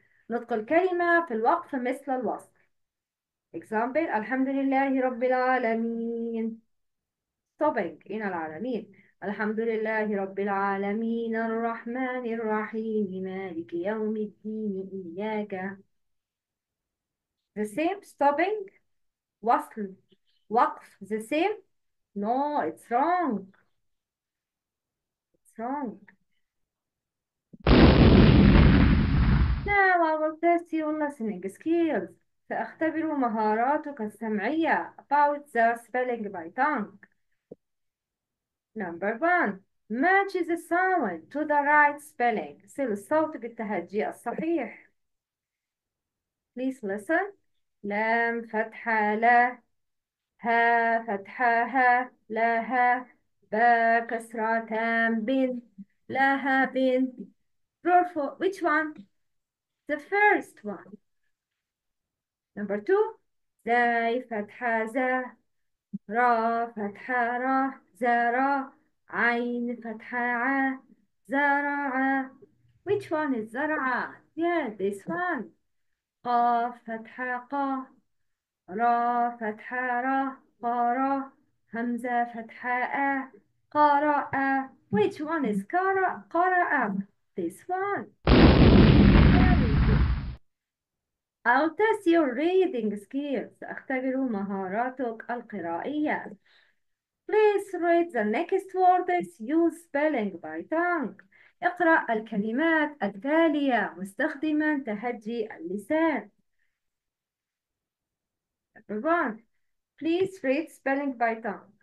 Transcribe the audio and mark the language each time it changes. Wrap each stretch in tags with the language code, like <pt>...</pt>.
<ar>نطق الكلمة في الوقف مثل الوصل. Example: الحمد لله رب العالمين. طبق من العالمين. الحمد لله رب العالمين، الرحمن الرحيم، مالك يوم الدين، إياك.</ar> <en>The same stopping وصل وقف. The same. No, it's wrong. It's wrong. Now I will test your listening skills.</en> <ar>سأختبر مهاراتك السمعية</ar> <en>about the spelling by tongue. Number one. Match the sound to the right spelling.</en> <ar>صل الصوت بالتهجئة الصحيح.</ar> <en>Please listen.</en> <ar>لام فتحة لا، ها فتحة ها، لها با كسرة تام، بن لها بن.</ar> <en>Which one? The first one. Number two.</en> <ar>زاي فتحة زا، را فتحة را، زرا. عين فتحة عا، زرعة.</ar> <en>Which one is زرعة؟ Yeah, this one.</en> <ar>قاف فتحة قا، را فتحة را، قارا. همزة فتحة آ، قارا.</ar> <en>Which one is قارا؟ قارا. This one. Very good. I'll test your reading skills.</en> <ar>سأختبر مهاراتك القرائية.</ar> <en>Please read the next words. Use spelling by tongue.</en> <ar>اقرأ الكلمات التالية مستخدما تهجي اللسان.</ar> <en>Number one. Please read spelling by tongue.</en>